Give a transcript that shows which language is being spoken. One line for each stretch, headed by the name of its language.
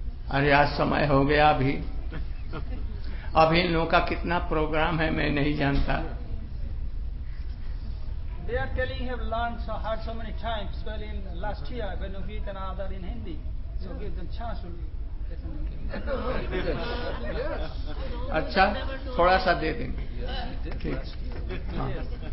Hindi: अरे आज समय हो गया अभी अभी इन लोगों का कितना प्रोग्राम है मैं नहीं जानता.
English: They are telling have learned so hard so many times, especially in last year when we meet another in Hindi. So give them chance to listen.
Hindi: अच्छा थोड़ा सा दे देंगे ठीक.